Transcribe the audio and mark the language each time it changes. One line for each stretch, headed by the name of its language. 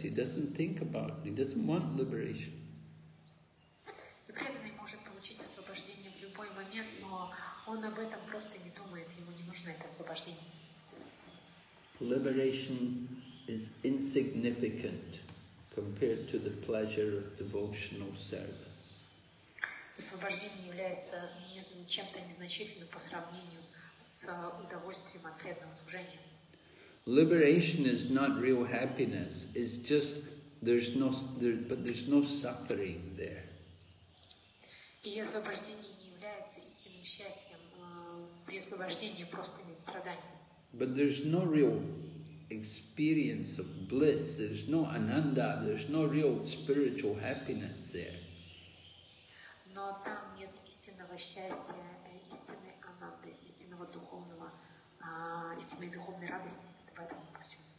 English: He doesn't think about it. He doesn't want liberation.
Russian: И преданный может получить освобождение в любой момент, но он об этом просто не думает. Ему не нужно это освобождение.
English: Liberation is insignificant compared to the pleasure of devotional service.
Russian: Освобождение является чем-то незначительным по сравнению с удовольствием от преданного служения.
English: Liberation is not real happiness. It's just there's no suffering there.
Russian: И освобождение не является истинным счастьем. При освобождении просто нет страданий.
English: But there's no real experience of bliss. There's no ananda, there's no real spiritual happiness there.
Russian: Но там нет истинного счастья, истинной ананды, истинного духовного, истинной духовной радости в этом пути.